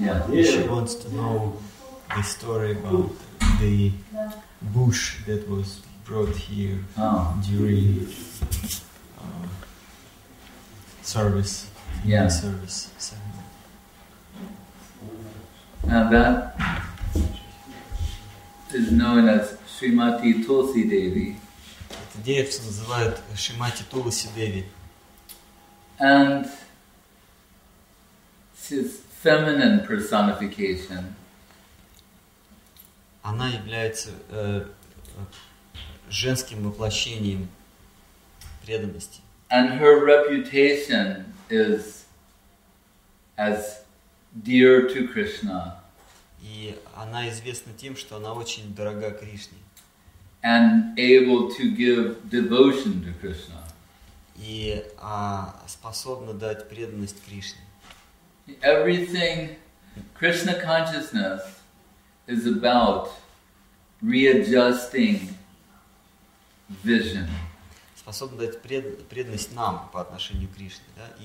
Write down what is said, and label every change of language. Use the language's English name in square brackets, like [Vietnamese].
[English] She wants to know the story about the bush that was brought here during service. Yeah. Service. And that is known as Shrimati Tulsi Devi. [Russian] Это девица называют Шримати Туласи Деви. [English] And she's feminine personification. [Russian] Она является женским воплощением преданности. [English] And her reputation is as dear to Krishna. [Russian] И она известна тем, что она очень дорога Кришне. [English] And able to give devotion to Krishna. [Russian] И способна дать преданность Кришне. [English] Everything Krishna consciousness is about readjusting vision. [Russian] Способна дать преданность нам по отношению к Кришне. Да?